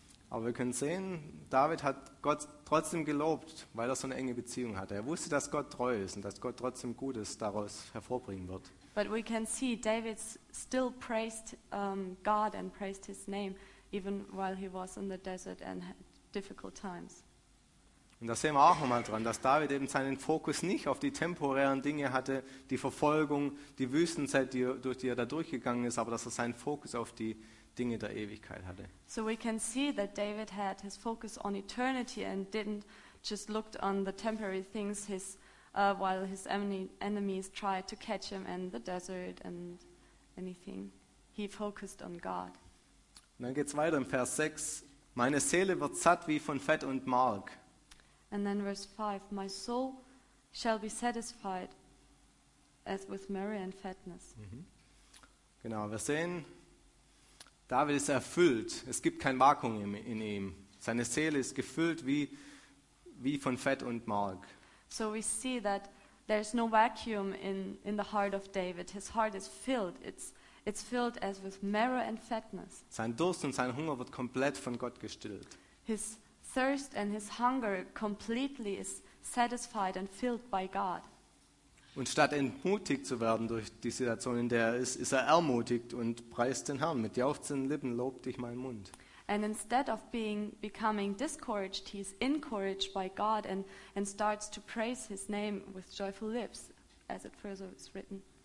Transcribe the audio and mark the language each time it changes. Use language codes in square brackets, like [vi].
[de] Aber wir können sehen, David hat Gott trotzdem gelobt, weil er so eine enge Beziehung hatte. Er wusste, dass Gott treu ist und dass Gott trotzdem Gutes daraus hervorbringen wird. [en] But we can see David still praised God and praised his name even while he was in the desert and had difficult times. [de] Und da sehen wir auch nochmal dran, dass David eben seinen Fokus nicht auf die temporären Dinge hatte, die Verfolgung, die Wüstenzeit, durch die er da durchgegangen ist, aber dass er seinen Fokus auf die Dinge der Ewigkeit hatte. [en] So we can see that David had his focus on eternity and didn't just looked on the temporary things while his enemies tried to catch him in the desert and anything. He focused on God. [de] Und dann geht's weiter im Vers 6. Meine Seele wird satt wie von Fett und Mark. [en] And then verse 5. My soul shall be satisfied as with marrow and fatness. [de] Genau, wir sehen, David ist erfüllt. Es gibt kein Vakuum in ihm. Seine Seele ist gefüllt wie von Fett und Mark. [en] So we see that there is no vacuum in the heart of David. His heart is filled. It's filled as with marrow and fatness. [de] Sein Durst und sein Hunger wird komplett von Gott gestillt. [en] His thirst and his hunger completely is satisfied and filled by God. [de] Und statt entmutigt zu werden durch die Situation, in der er ist, ist er ermutigt und preist den Herrn. Mit jauchzenden Lippen lobt dich mein Mund. [en] And instead of becoming discouraged, he's encouraged by God and starts to praise his name with joyful lips, as it further is written.